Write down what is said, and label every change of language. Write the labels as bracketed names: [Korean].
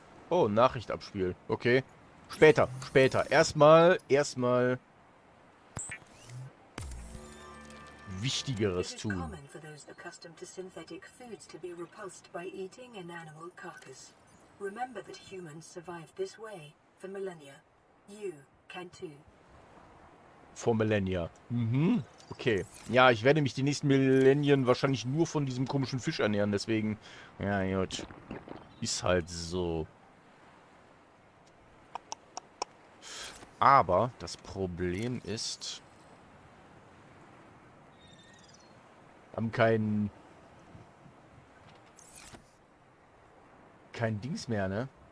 [German] Oh, Nachricht abspielen. Okay. Später, später. Erstmal Wichtigeres tun. [English] For those accustomed to synthetic foods to be repulsed by eating an animal carcass. Remember that humans survived this way for millennia. You can too. For millennia. Mhm. Okay. [German] Ja, ich werde mich die nächsten Millennien wahrscheinlich nur von diesem komischen Fisch ernähren, deswegen. Ja, gut. Ist halt so. Aber das Problem ist, wir haben kein Dings mehr, ne?